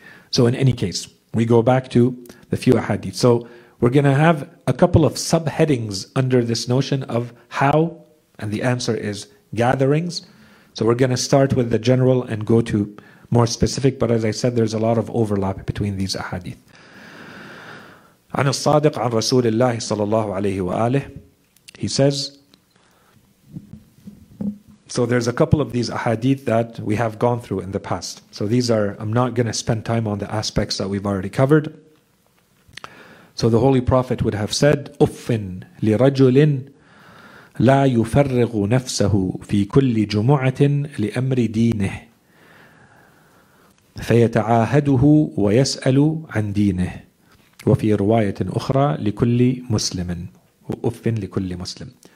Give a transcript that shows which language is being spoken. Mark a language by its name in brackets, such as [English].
[English] So in any case, we go back to the few ahadith. So we're going to have a couple of subheadings under this notion of how, and the answer is gatherings. So we're going to start with the general and go to more specific, but as I said, there's a lot of overlap between these ahadith. [Arabic] عن الصادق عن رسول الله صلى الله عليه وآله. [English] He says, so there's a couple of these ahadith that we have gone through in the past. So these are, I'm not going to spend time on the aspects that we've already covered. So the Holy Prophet would have said, [Arabic] أُفٍ لِرَجُلٍ لَا يُفَرِّغُ نَفْسَهُ فِي كُلِّ جُمُعَةٍ لِأَمْرِ دِينِهِ فَيَتَعَاهَدُهُ وَيَسْأَلُ عَنْ دِينِهِ وَفِي رُوَايَةٍ أُخْرَى لِكُلِّ مُسْلِمٍ أُفٍ لِكُلِّ مُسْلِمٍ.